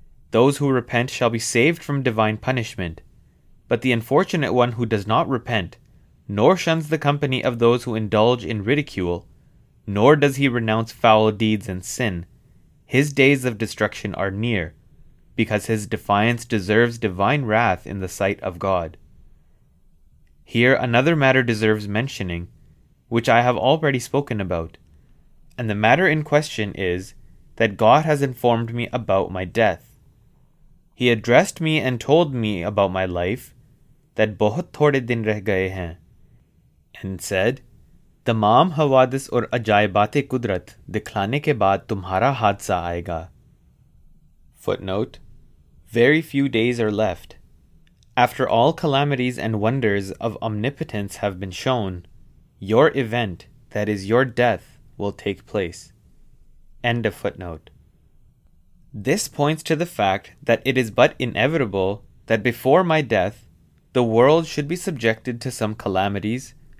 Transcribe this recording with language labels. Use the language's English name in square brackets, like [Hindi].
[English] Those who repent shall be saved from divine punishment, but the unfortunate one who does not repent, nor shuns the company of those who indulge in ridicule, nor does he renounce foul deeds and sin, his days of destruction are near, because his defiance deserves divine wrath in the sight of God. Here another matter deserves mentioning, which I have already spoken about, and the matter in question is that God has informed me about my death. He addressed me and told me about my life, that [Urdu] بہت تھوڑے دن رہ گئے ہیں, [English] and said, [Urdu] تمام حوادث اور عجائباتِ قدرت دکھلانے کے بعد تمہارا حادثہ آئے گا۔ [English] Footnote: very few days are left. After all calamities and wonders of omnipotence have been shown, your event, that is your death, will take place. End of footnote. This points to the fact that it is but inevitable that before my death, the world should be subjected to some calamities,